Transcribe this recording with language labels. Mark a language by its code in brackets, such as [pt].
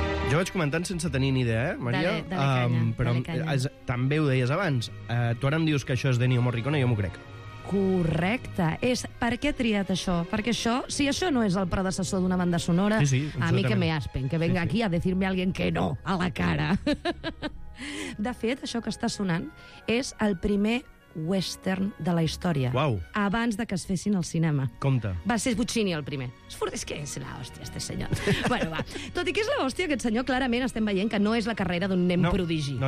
[ca] Jo vaig comentant sense tenir ni idea, eh, Maria? [es] Dale, [ca] però també ho deies abans. Tu ara em dius que això és d'Ennio Morricone, jo m'ho crec. Correcte. És, per què he triat això? Perquè això, si això no és el predecessor d'una banda sonora, sí, sí, [es] a mi que me aspen, que venga aquí a decirme a alguien que no, a la cara. [ca] De fet, això que està sonant és el primer western de la història. Uau. Abans de que es fessin al cinema. Compte. Va ser Puccini el primer. És que és l'hòstia, este senyor. Bueno, va. Tot i que és l'hòstia, aquest senyor, clarament estem veient que no és la carrera d'un nen prodigi.